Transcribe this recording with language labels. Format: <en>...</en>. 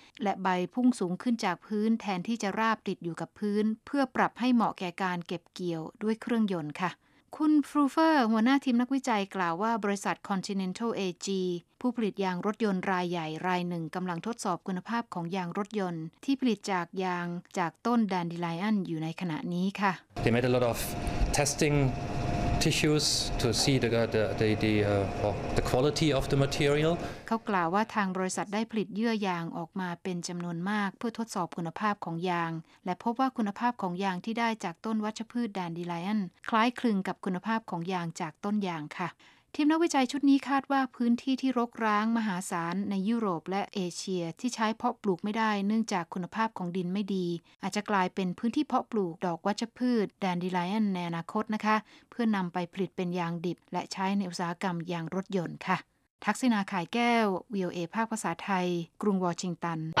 <th>และใบพุ่งสูงขึ้นจากพื้นแทนที่จะราบติดอยู่กับพื้นเพื่อปรับให้เหมาะแก่การเก็บเกี่ยวด้วยเครื่องยนต์ค่ะ คุณฟรูเฟอร์หัวหน้าทีมนักวิจัยกล่าวว่าบริษัท Continental AG ผู้ผลิตยางรถยนต์รายใหญ่รายหนึ่งกำลังทดสอบคุณภาพของยางรถยนต์ที่ผลิตจากยางจากต้นแดนดีไลออนอยู่ในขณะนี้ค่ะ</th> <en>They made a lot of testingtissues to see the quality of the material</en> <th>เขากล่าวว่าทางบริษัทได้ผลิตเยื่อยางออกมาเป็นจำนวนมากเพื่อทดสอบคุณภาพของยางและพบว่าคุณภาพของยางที่ได้จากต้นวัชพืชแดนดีไลออนคล้ายคลึงกับคุณภาพของยางจากต้นยางค่ะ ทีมนักวิจัยชุดนี้คาดว่าพื้นที่ที่รกร้างมหาศาลในยุโรปและเอเชียที่ใช้เพาะปลูกไม่ได้เนื่องจากคุณภาพของดินไม่ดีอาจจะกลายเป็นพื้นที่เพาะปลูกดอกวัชพืชแดนดีไลออนในอนาคตนะคะเพื่อนำไปผลิตเป็นยางดิบและใช้ในอุตสาหกรรมยางรถยนต์ค่ะทักษิณาข่ายแก้ว VOA ภาคภาษาไทยกรุงวอชิงตัน</th>